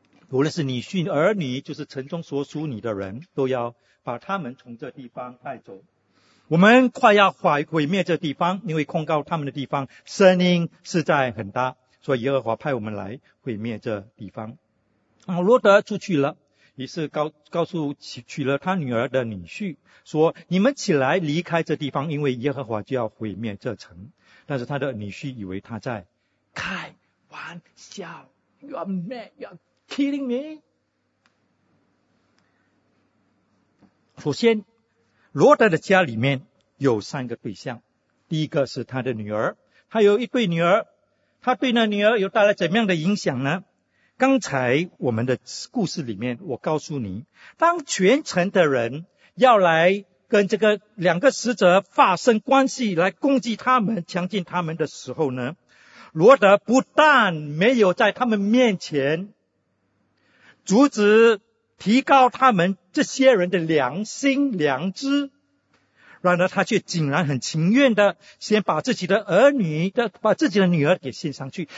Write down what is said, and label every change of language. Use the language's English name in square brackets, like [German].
[Chinese] 无论是女婿儿女，就是城中所属你的人，都要把他们从这地方带走，我们快要毁灭这地方，因为控告他们的地方声音实在很大，所以耶和华派我们来毁灭这地方。罗德出去了，于是告诉娶了他女儿的女婿说，你们起来离开这地方，因为耶和华就要毁灭这城。但是他的女婿以为他在开玩笑， [English] You are mad, you are kidding me。 [Chinese] 首先罗德的家里面有三个对象，第一个是他的女儿，他有一对女儿，他对那女儿有带来怎么样的影响呢？刚才我们的故事里面，我告诉你，当全城的人要来跟这个两个使者发生关系，来攻击他们、强奸他们的时候呢，罗德不但没有在他们面前阻止、提高他们这些人的良心、良知，然而他却竟然很情愿的先把自己的儿女的、把自己的女儿给献上去。